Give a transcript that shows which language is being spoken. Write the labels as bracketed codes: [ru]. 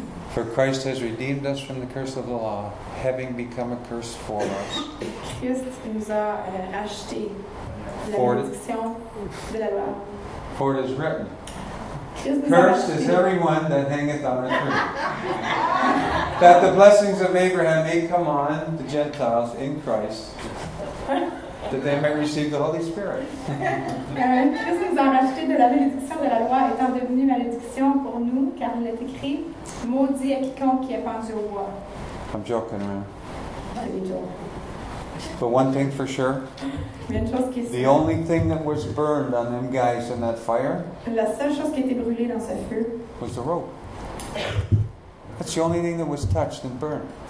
[en] For Christ has redeemed us from the curse of the law, having become a curse for us. [fr] Christ nous a rachetés de la malédiction de la loi. [en] For it is written. Cursed is everyone that hangeth on a tree. That the blessings of Abraham may come on the Gentiles in Christ, that they might receive the Holy Spirit. [fr] Christ nous a racheté de la malédiction de la loi, étant devenue malédiction pour nous, car il est écrit, maudit à quiconque qui est pendu au bois. [en] I'm joking, man. But one thing for sure, the only thing that was burned on them guys in that fire was the rope. That's the only thing that was touched and burned.